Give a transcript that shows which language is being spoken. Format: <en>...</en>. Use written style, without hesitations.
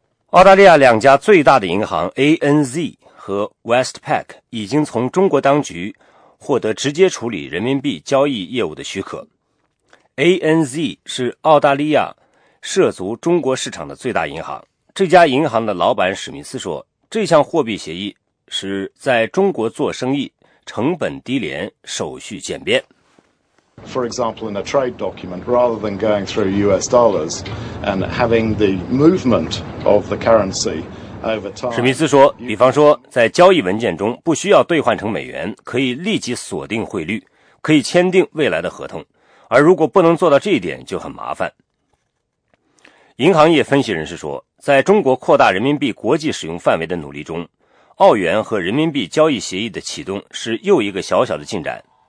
<zh>澳大利亚两家最大的银行 ANZ 和 Westpac 已经从中国当局获得直接处理人民币交易业务的许可。 ANZ 是澳大利亚涉足中国市场的最大银行。这家银行的老板史密斯说，这项货币协议使在中国做生意成本低廉，手续简便。</zh> <en>For example, in a trade document, rather than going through US dollars and having the movement of the currency over time.</en> <zh>史密斯说，比方说在交易文件中不需要兑换成美元，可以立即锁定汇率，可以签订未来的合同。而如果不能做到这一点就很麻烦。银行业分析人士说，在中国扩大人民币国际使用范围的努力中，澳元和人民币交易协议的启动是又一个小小的进展。</zh>